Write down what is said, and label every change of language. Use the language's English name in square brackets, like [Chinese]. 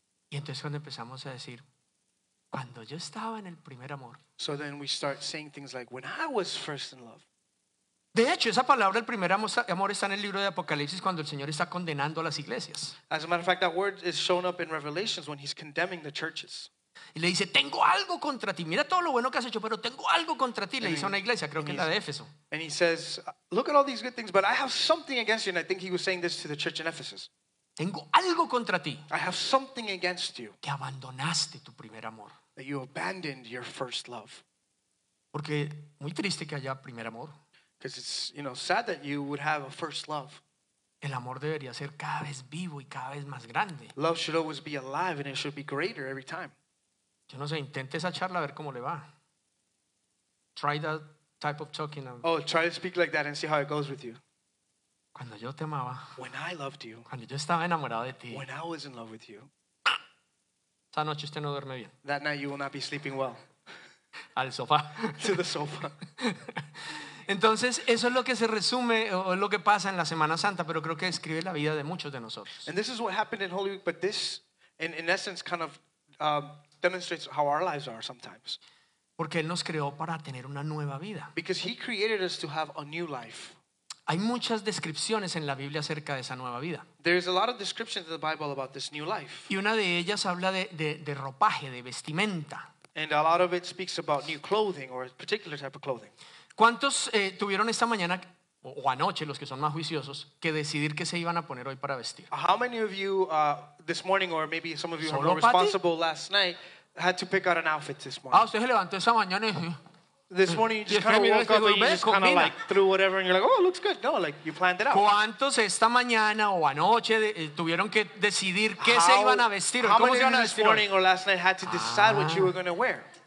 [Spanish] Y entonces cuando empezamos a decir, cuando yo estaba en el primer amor. [English] So then we start saying things like, when I was first in love. [Spanish] De hecho, esa palabra, el primer amor, está en el libro de Apocalipsis cuando el Señor está condenando a las iglesias. [English] As a matter of fact, that word is shown up in Revelations when he's condemning the churches. [Spanish] Y le dice, tengo algo contra ti. Mira todo lo bueno que has hecho, pero tengo algo contra ti. Le dice a una iglesia, creo que es la de Éfeso. [English] And he says, look at all these good things, but I have something against you. And I think he was saying this to the church in Ephesus. [Spanish] Tengo algo contra ti. [English] I have something against you. [Spanish] Que abandonaste tu primer amor. [English] That you abandoned your first love. [Spanish] Porque muy triste que haya primer amor. [English] Because it's, you know, sad that you would have a first love. [Spanish] El amor debería ser cada vez vivo y cada vez más grande. [English] Love should always be alive and it should be greater every time. [Spanish] Yo no sé, intente esa charla a ver cómo le va. [English] Try that type of talking. Oh, try to speak like that and see how it goes with you. [Spanish] Cuando yo te amaba. [English] When I loved you. [Spanish] Cuando yo estaba enamorado de ti. [English] When I was in love with you. [Spanish] Esa noche usted no duerme bien. [English] That night you will not be sleeping well. [Spanish] Al sofá. [English] To the sofa. [Spanish] Entonces, eso es lo que se resume o es lo que pasa en la Semana Santa, pero creo que describe la vida de muchos de nosotros. [English] And this is what happened in Holy Week, but this, in essence, kind of demonstrates how our lives are sometimes. [Spanish] Porque Él nos creó para tener una nueva vida. [English] Because He created us to have a new life. [Spanish] Hay muchas descripciones en la Biblia acerca de esa nueva vida. [English] There is a lot of descriptions in the Bible about this new life. [Spanish] Y una de ellas habla de ropaje, de vestimenta. [English] And a lot of it speaks about new clothing or a particular type of clothing. [Spanish] ¿Cuántos tuvieron esta mañana o anoche, los que son más juiciosos, que decidir qué se iban a poner hoy para vestir? [English] How many of you this morning, or maybe some of you were responsible last night, had to pick out an outfit this morning? [Spanish] Ah, usted se levantó esta mañana y... [English] This morning you just kind of woke up and you just kind of like threw whatever and you're like, oh, it looks good. No, like you planned it out. [Spanish] ¿Cuántos esta mañana o anoche tuvieron que decidir qué se iban a vestir? [English] How many of you this morning or last night had to decide what you were going to wear?